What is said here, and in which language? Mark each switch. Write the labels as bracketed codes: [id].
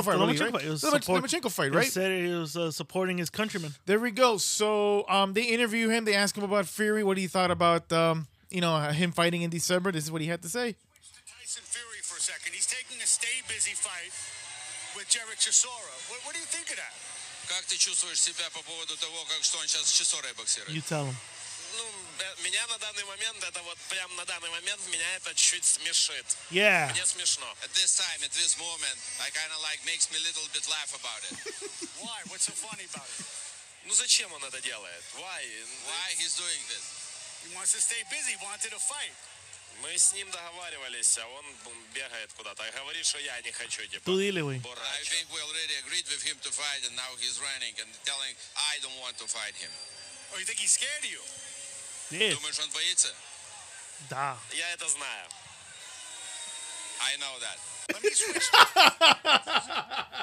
[en] It was the Lomachenko fight, right? He was supporting his countrymen. There we go. So they interview him. They ask him about Fury. What he thought about him fighting in December. This is what he had to say. Switch to Tyson Fury for a second. He's taking a stay-busy fight. Jerick Chisora, what do you think of that? [ru] Как ты чувствуешь себя по поводу того, как что он сейчас с Чисорой боксирует? [en] You tell him. [ru] Ну, меня на данный момент это вот прям на данный момент меня это чуть смешит. [en] Yeah. [ru] Мне смешно. [en] At this time, at this moment, I kind of like makes me a little bit laugh about it. Why? What's so funny about it? [ru] Ну зачем он это делает? [en] Why? Why he's doing this? He wants to stay busy. Wanted a fight. [ru] Мы с ним договаривались, а он бегает куда-то. Говорит, что я не хочу, типа. Тулили вы. [en] I think we already agreed with him to fight, and now he's running and telling I don't want to fight him. Oh, you think he's scared of you? Yes. [ru] Думаешь, он боится? Да. Я это знаю. [en] I know that.